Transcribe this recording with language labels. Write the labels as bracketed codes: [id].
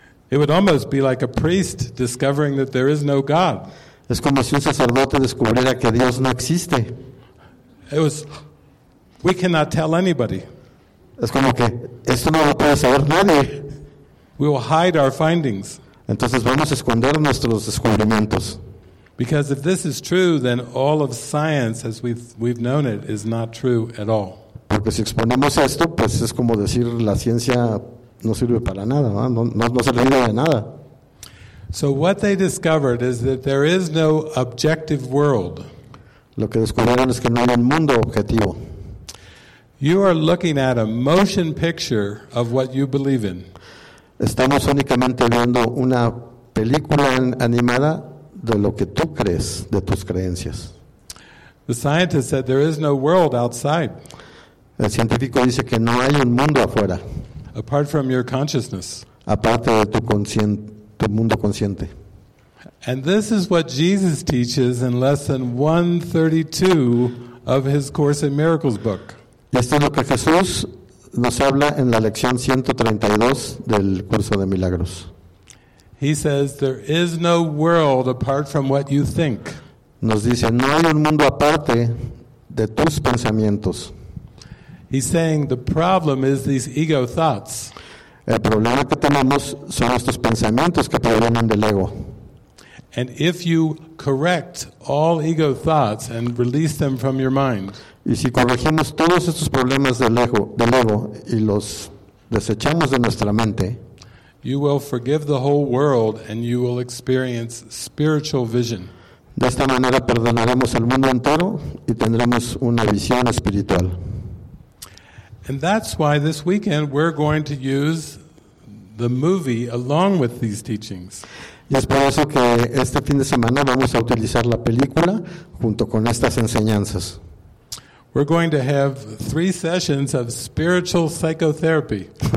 [en] It would almost be like a priest discovering that there is no God. [es] Es como si un sacerdote descubriera que Dios no existe. [en] We cannot tell anybody. [es] Es como que esto no lo puede saber nadie. [en] We will hide our findings. [es] Entonces vamos a esconder nuestros descubrimientos. [en] Because if this is true, then all of science, as we've known it, is not true at all. [es] Porque si exponemos esto, pues es como decir la ciencia no sirve para nada, no sirve de nada. [en] So what they discovered is that there is no objective world. [es] Lo que descubrieron es que no hay un mundo objetivo. [en] You are looking at a motion picture of what you believe in. [es] Estamos únicamente viendo una película animada de lo que tú crees, de tus creencias. [en] The scientist said there is no world outside. [es] El científico dice que no hay un mundo afuera. [en] Apart from your consciousness. [es] Aparte de tu mundo consciente. [en] And this is what Jesus teaches in lesson 132 of his Course in Miracles book. [es] Y esto es lo que Jesús nos habla en la lección 132 del curso de milagros. [en] He says there is no world apart from what you think. [es] Nos dice, no hay un mundo aparte de tus pensamientos. [en] He's saying the problem is these ego thoughts. [es] El problema que tenemos son estos pensamientos que provienen del ego. [en] And if you correct all ego thoughts and release them from your mind. [es] Y si corregimos todos estos problemas del ego y los desechamos de nuestra mente, [en] you will forgive the whole world and you will experience spiritual vision. [es] De esta manera perdonaremos el mundo entero y tendremos una visión espiritual. [en] And that's why this weekend we're going to use the movie along with these teachings. [es] Y es por eso que este fin de semana vamos a utilizar la película junto con estas enseñanzas. [en] We're going to have three sessions of spiritual psychotherapy.